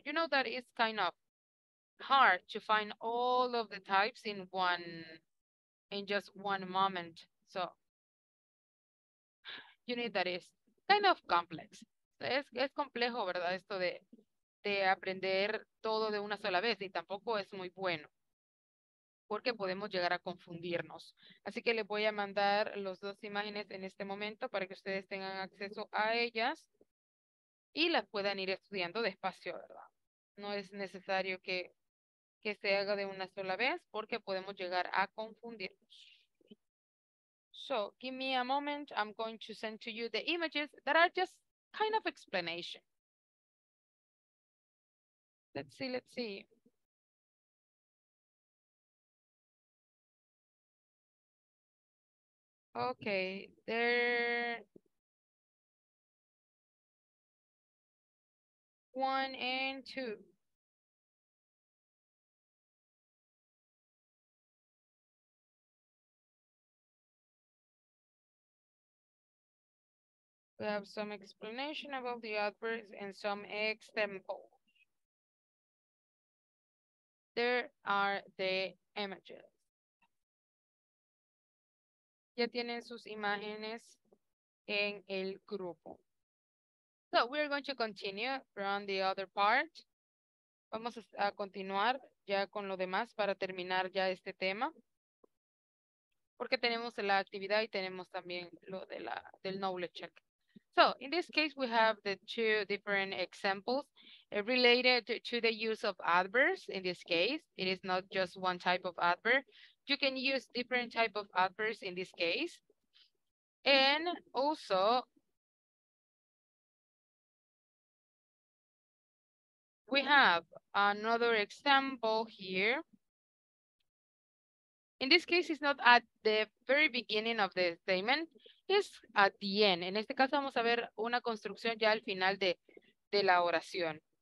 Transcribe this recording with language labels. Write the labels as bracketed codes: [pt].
[en] You know that it's kind of hard to find all of the types in just one moment. So you need that is kind of complex. [es] Es complejo, ¿verdad? Esto de aprender todo de una sola vez, y tampoco es muy bueno porque podemos llegar a confundirnos. Así que les voy a mandar las dos imágenes en este momento para que ustedes tengan acceso a ellas y las puedan ir estudiando despacio, ¿verdad? No es necesario que se haga de una sola vez, porque podemos llegar a confundirnos. [en] So, give me a moment. I'm going to send to you the images that are just kind of explanation. Let's see. Okay, there. One and two. We have some explanation about the adverbs and some examples. There are the images. [es] Ya tienen sus imágenes en el grupo. [en] So we're going to continue from the other part. [es] Vamos a continuar ya con lo demás para terminar ya este tema. Porque tenemos la actividad y tenemos también lo de del [en] knowledge check. So, in this case, we have the two different examples. related to the use of adverbs. In this case, it is not just one type of adverb. You can use different type of adverbs in this case. And also, we have another example here. In this case, it's not at the very beginning of the statement, it's at the end. [es] En este caso, vamos a ver una construcción ya al final de la oración.